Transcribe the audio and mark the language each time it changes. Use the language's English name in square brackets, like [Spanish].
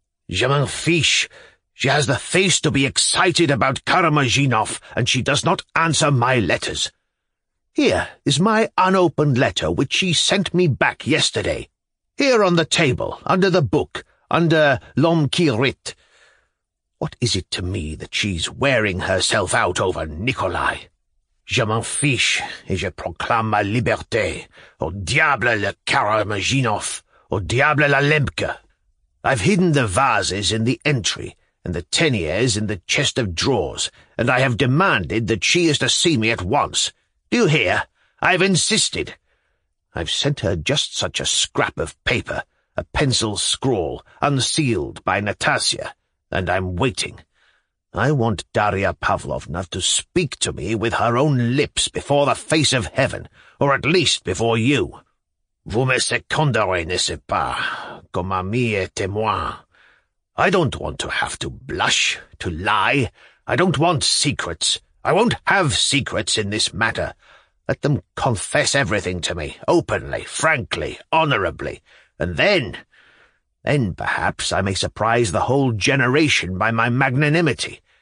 [French] "Je m'en fiche. [English] She has the face to be excited about Karamazinov, and she does not answer my letters. Here is my unopened letter which she sent me back yesterday. Here on the table, under the book, under L'homme qui rit. What is it to me that she's wearing herself out over Nikolai? [French] Je m'en fiche, et je proclame ma liberté. Au diable le Karamazinov, au diable la Lembke. [English] I've hidden the vases in the entry, and the teniers in the chest of drawers, and I have demanded that she is to see me at once. Do you hear? I've insisted. I've sent her just such a scrap of paper, a pencil scrawl, unsealed by Natasha, and I'm waiting. I want Darya Pavlovna to speak to me with her own lips before the face of heaven, or at least before you. [French] Vous me seconderez, n'est-ce pas, comme ami et témoin. [English] I don't want to have to blush, to lie. I don't want secrets. I won't have secrets in this matter. Let them confess everything to me, openly, frankly, honorably. And then perhaps I may surprise the whole generation by my magnanimity.